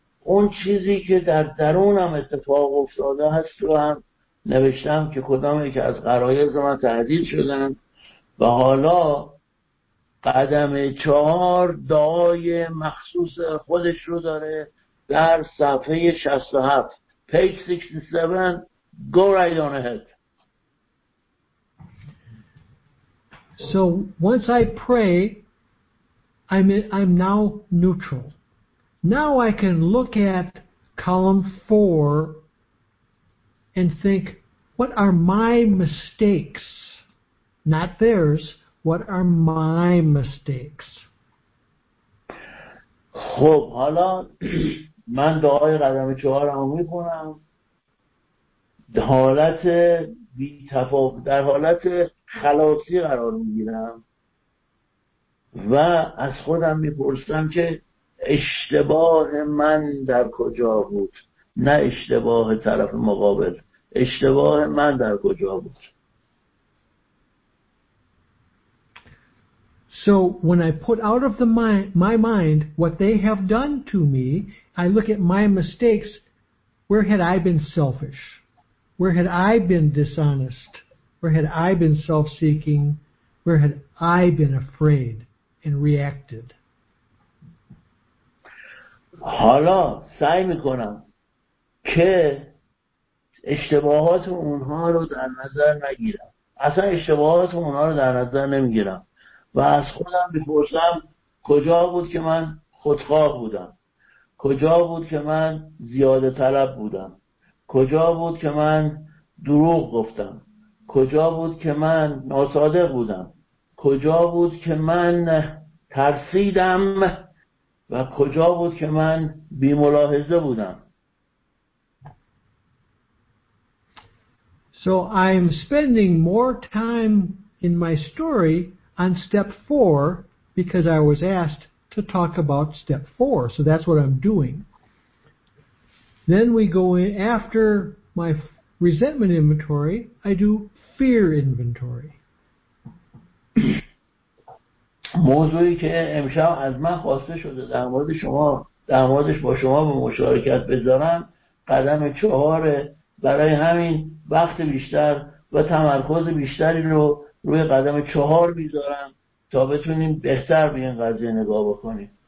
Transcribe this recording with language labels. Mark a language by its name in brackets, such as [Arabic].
[Persian] اون چیزی که در درونم اتفاق افتاده هست رو هم نوشتم که کدام یکی از غرایز من تهدید شدن و حالا قدم چهار دعای مخصوص خودش رو داره در صفحه 67، [English] page 67. Go right on ahead. So once I pray, I'm now neutral. Now I can look at column 4 and think, what are my mistakes? Not theirs. What are my mistakes? [Persian] خب حالا من دعای قدم چهارم می کنم. حالت بی تفاوت، در حالت خلاصی قرار می گیرم و از خودم می پرسم که اشتباه من در کجا بود، نه اشتباه طرف مقابل، اشتباه من در کجا بود. [English] So when I put out of the my mind what they have done to me, I look at my mistakes. Where had I been selfish? Where had I been dishonest? Where had I been self-seeking? Where had I been afraid and reacted? [Persian] حالا سعی میکنم که اشتباهات اونها رو در نظر نگیرم. اصلا اشتباهات اونها رو در نظر نمیگیرم. و از خودم بپرسم کجا بود که من خودخواه بودم، کجا بود که من زیاده طلب بودم، کجا بود که من دروغ گفتم، کجا بود که من ناصادق بودم، کجا بود که من ترسیدم و کجا بود که من بی‌ملاحظه بودم. [English] So I'm spending more time in my story on step 4 because I was asked to talk about step 4, so that's what I'm doing. Then we go in after my resentment inventory, I do fear inventory. [Persian] موضوعی که امشب از من خواسته شده در مورد شما، در موردش با شما به مشارکت بذارم، قدم 4 برای همین وقت بیشتر و تمرکز بیشتری رو روی قدم 4 میذارم تا بتونیم بهتر به این قضیه نگاه بکنیم.